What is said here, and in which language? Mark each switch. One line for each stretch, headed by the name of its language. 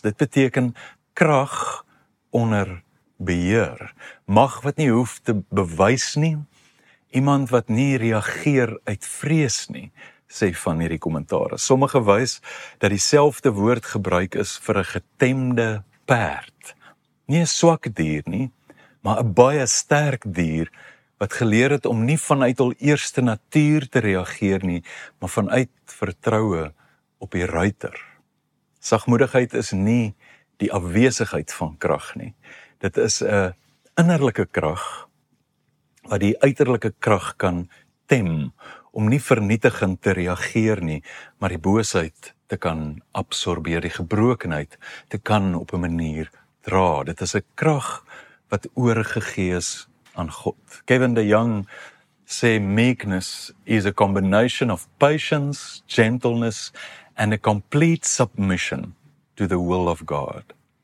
Afrikaans: Dit beteken krag onder beheer. Mag wat nie hoef te bewys nie. Iemand wat nie reageer uit vrees nie, sê van hierdie kommentare. Sommige wys dat dieselfde woord gebruik is vir 'n getemde perd. Nie 'n swak dier nie, maar 'n baie sterk dier wat geleer het om nie vanuit hul eerste natuur te reageer nie, maar vanuit vertroue op die ruiter. Sagmoedigheid is nie die afwesigheid van krag nie. Dit is 'n innerlike krag wat die uiterlike krag kan tem, om nie vernietigend te reageer nie, maar die boosheid te kan absorbeer, die gebrokenheid te kan op 'n manier dra. Dit is 'n krag wat oorgegee is aan God.
English: Kevin DeYoung sê, meekness is a combination of patience, gentleness and a complete submission to the will of God.